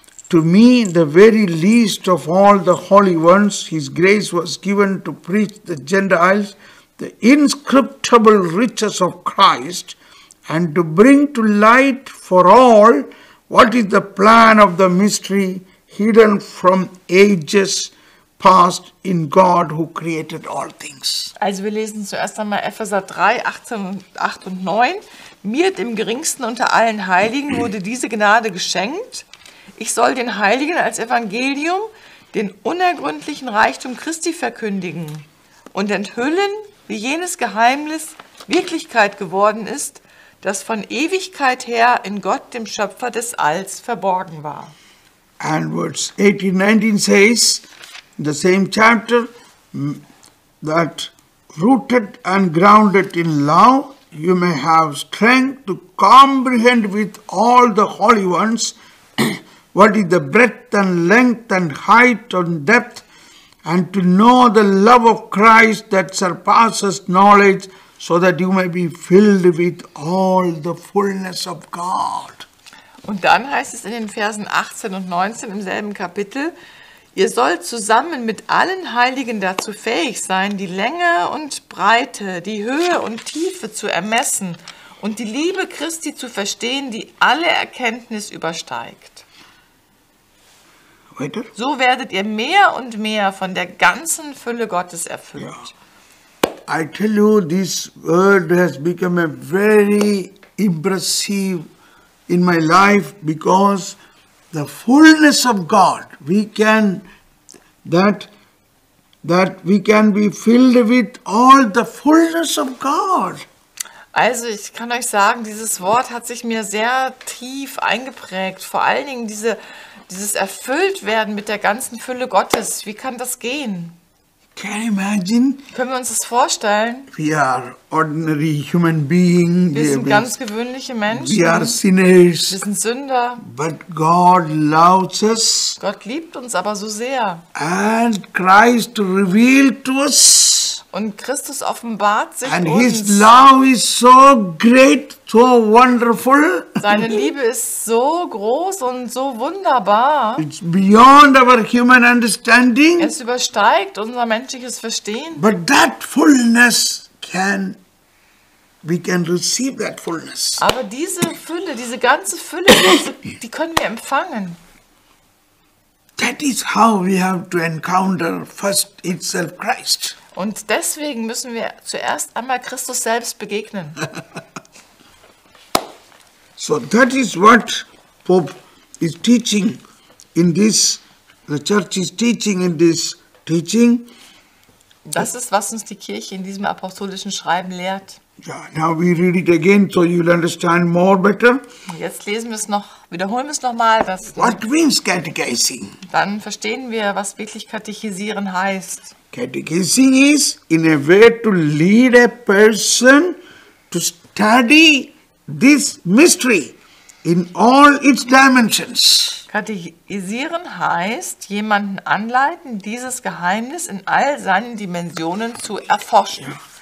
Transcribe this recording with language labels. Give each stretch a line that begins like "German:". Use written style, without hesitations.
English: To me, the very least of all the holy ones, his grace was given to preach the Gentiles the inscrutable riches of Christ and to bring to light for all what is the plan of the mystery hidden from ages past in God who created all things.
German: Also wir lesen zuerst einmal Epheser 3, 8 und 9. Mir, dem Geringsten unter allen Heiligen, wurde diese Gnade geschenkt. Ich soll den Heiligen als Evangelium den unergründlichen Reichtum Christi verkündigen und enthüllen, wie jenes Geheimnis Wirklichkeit geworden ist, das von Ewigkeit her in Gott, dem Schöpfer des Alls, verborgen war.
English: And verse 18, 19 says, in the same chapter, that rooted and grounded in love, you may have strength to comprehend with all the holy ones what is the breadth and length and height and depth, and to know the love of Christ that surpasses knowledge, so that you may be filled with all the fullness of God.
German: Und dann heißt es in den Versen 18 und 19 im selben Kapitel, ihr sollt zusammen mit allen Heiligen dazu fähig sein, die Länge und Breite, die Höhe und Tiefe zu ermessen und die Liebe Christi zu verstehen, die alle Erkenntnis übersteigt. Weiter. So werdet ihr mehr und mehr von der ganzen Fülle Gottes erfüllt. Yeah.
English: I tell you, this word has become a very impressive in my life because the fullness of God, we can be filled with all the fullness of God.
German: Also ich kann euch sagen, dieses Wort hat sich mir sehr tief eingeprägt. Vor allen Dingen dieses Erfülltwerden mit der ganzen Fülle Gottes. Wie kann das gehen?
English: Can you imagine?
German: Können wir uns das vorstellen?
English: We are ordinary human beings.
German: Wir sind ganz gewöhnliche Menschen.
English: We are sinners.
German: Wir sind Sünder.
English: But God loves us.
German: Gott liebt uns aber so sehr.
English: And Christ revealed to us.
German: Und Christus offenbart sich
English: and
German: uns.
English: His love is so great, so wonderful.
German: Seine Liebe ist so groß und so wunderbar.
English: It's beyond our human understanding.
German: Es übersteigt unser menschliches Verstehen.
English: But that fullness we can receive that fullness.
German: Aber diese Fülle, diese ganze Fülle, die können wir empfangen.
English: That is how we have to encounter first itself Christ.
German: Und deswegen müssen wir zuerst einmal Christus selbst begegnen.
English: So that is what Pope is teaching in this, the church is teaching in this teaching.
German: Das ist, was uns die Kirche in diesem apostolischen Schreiben lehrt.
English: Yeah, now we read it again, so you'll understand more better.
German: Jetzt lesen wir es noch, wiederholen wir es nochmal.
English: What means catechizing?
German: Dann verstehen wir, was wirklich katechisieren heißt.
English: Catechizing is in a way to lead a person to study this mystery in all its dimensions.
German: Katechisieren heißt, jemanden anleiten, dieses Geheimnis in all seinen Dimensionen zu erforschen. Yeah.